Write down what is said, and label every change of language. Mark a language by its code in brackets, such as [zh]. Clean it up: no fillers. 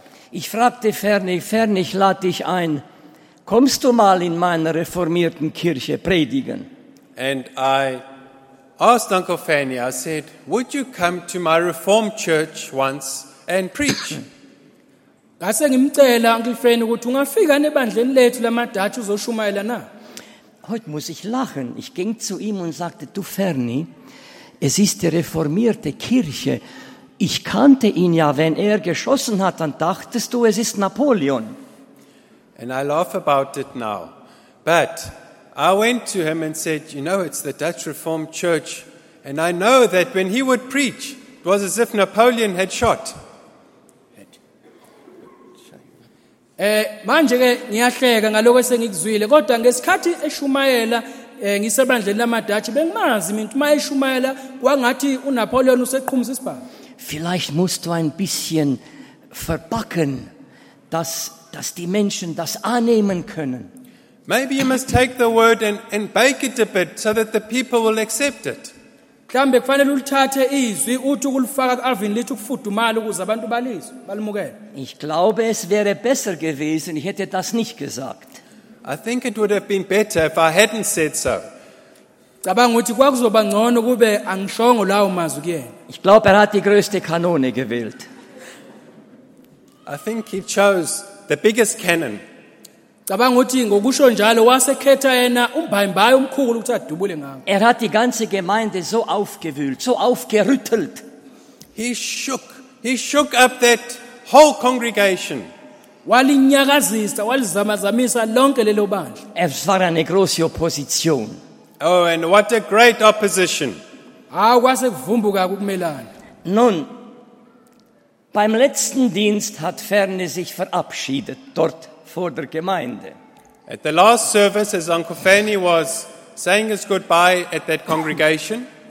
[de] Ich fragte Ferni, ich lade dich ein, kommst du mal in meiner reformierten Kirche predigen? [en] And I asked Uncle Fanny, I said, would you come to my reformed church once and preach? [zu] Ngase ngimcela Uncle Fanny ukuthi ungafika nebandleni lethu lamadathu uzoshumayela na. [de] Heute muss ich lachen. Ich ging zu ihm und sagte, du Ferni, es ist die reformierte Kirche. Ich kannte ihn ja, wenn er geschossen hat, dann dachtest du, es ist Napoleon. [en] And I laugh about it now. But I went to him and said, you know, it's the Dutch Reformed Church. And I know that when he would preach, it was as if Napoleon had shot. [zu] Manje ke ngiyahleka ngalokho esengikuzwile, kodwa ngesikhathi eshumayela ngisebandleni lamadatshi, bengimazi mina uma eshumayela kwangathi uNapoleon useqhumisa isibhamu. [de] Vielleicht musst du ein bisschen verpacken, dass die Menschen das annehmen können. [en] Maybe you must take the word and bake it a bit so that the people will accept it. [zu] Mhlambe kufanele ulithathe izwi uthi ukulifaka kuAlvin lithi ukufudumala ukuze abantu balizwe, balimukele. [de] Ich glaube, es wäre besser gewesen, ich hätte das nicht gesagt. [en] I think it would have been better if I hadn't said so. [zu] Cabanga ukuthi kwakuzoba ngcono kube angishongo lawo mazwi kuyena. [de] Ich glaube, er hat die größte Kanone gewählt. [en] I think he chose the biggest cannon. [zu] Cabanga ukuthi ngokusho njalo wasekhetha yena umbhayimbhayi omkhulu ukuthi adubule ngakho. [de] Er hat die ganze Gemeinde so aufgewühlt, so aufgerüttelt. [en] He shook up that whole congregation. [zu] Walinyakazisa, walizamazamisa lonke lelo bandla. [de] Es war eine große Opposition. [en] Oh, and what a great opposition. [de] Nun, beim letzten Dienst hat Ferne sich verabschiedet, dort vor der Gemeinde. [en] At the last service, as Uncle Fanny was saying his goodbye at that congregation,